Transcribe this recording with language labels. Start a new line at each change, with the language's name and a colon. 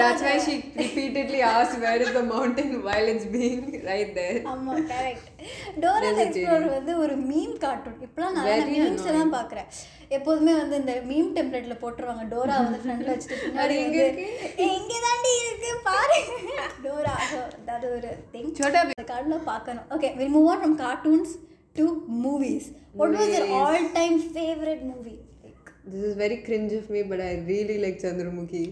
English: that's why she repeatedly asks where is the mountain while it's being right there. Amma, correct.
Tamil: Dora the Explorer vandu oru meme cartoon, ipo na memes la paakren, எப்போதுமே வந்து இந்த meme டெம்ப்ளேட்ல போட்டுருவாங்க, Dora வந்து ஃப்ரெண்ட்ல வச்சுட்டு எங்க தாண்டி இருக்கு பாரு டோரா, அது ஒரு திங் சோட்டா கார்டுல பார்க்கணும்.
English: Okay, we move on from cartoons to movies. What was your all-time favorite movie? This is very cringe of me, but I really like Chandramukhi.